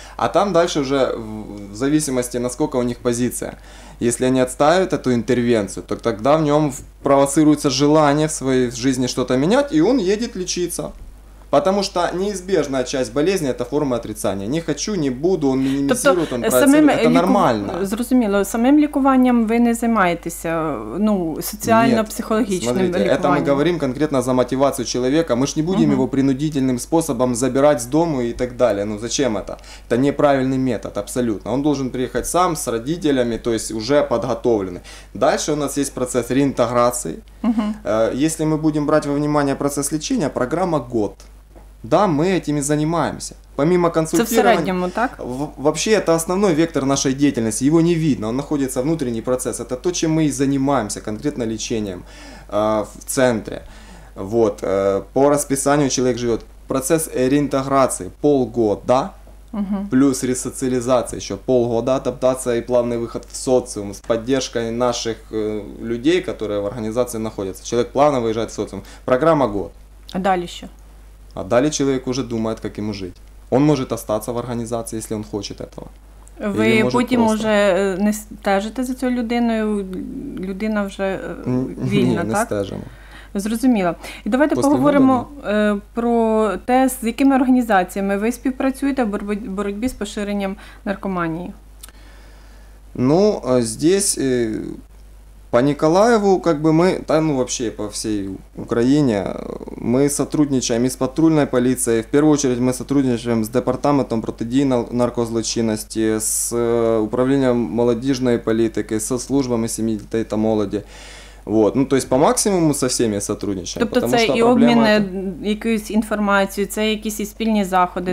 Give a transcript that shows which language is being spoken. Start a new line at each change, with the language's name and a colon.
Russian: А там дальше уже в зависимости, насколько у них позиция. Если они отставят эту интервенцию, то тогда в нем провоцируется желание в своей жизни что-то менять, и он едет лечиться. Потому что неизбежная часть болезни – это форма отрицания. Не хочу, не буду, он минимизирует,
Ukrainian: тобто,
Russian: он проецирует. Это нормально.
Ukrainian: Зрозуміло, самим лікуванням ви не займаєтеся, ну, соціально-психологічним лікуванням.
Russian: Смотрите, это мы говорим конкретно за мотивацию человека. Мы ж не будем угу. его принудительным способом забирать с дому и так далее. Ну, зачем это? Это неправильный метод, абсолютно. Он должен приехать сам, с родителями, то есть уже подготовленный. Дальше у нас есть процесс реинтеграции. Угу. Если мы будем брать во внимание процесс лечения, программа год. Да, мы этим и занимаемся. Помимо консультирования... Это в среднем, так? Вообще, это основной вектор нашей деятельности. Его не видно, он находится внутренний процесс. Это то, чем мы и занимаемся, конкретно лечением в центре. Вот, по расписанию человек живет. Процесс реинтеграции полгода, угу. Плюс ресоциализация еще полгода, адаптация и плавный выход в социум с поддержкой наших людей, которые в организации находятся. Человек плавно выезжает в социум. Программа год. А далее еще? А далее человек уже думает, как ему жить. Он может остаться в
Ukrainian: організації, якщо він хоче цього. Ви потім просто... вже не стежите за цією людиною, людина вже вільна, ні, не так? Не стежимо. Зрозуміло. І давайте
Russian: после
Ukrainian: поговоримо години. Про те, з якими організаціями ви співпрацюєте в боротьбі з поширенням наркоманії.
Russian: Ну, здесь... По Николаеву, как бы мы, да, ну вообще по всей Украине, мы сотрудничаем и с патрульной полицией, в первую очередь мы сотрудничаем с департаментом противодействия наркозлочинности, с управлением молодежной политики, со службами семьи, детей и молоді. Вот, ну то есть по максимуму со всеми сотрудничаем.
Ukrainian: Тобто це і обмін якоюсь інформацією, це якісь і спільні заходи,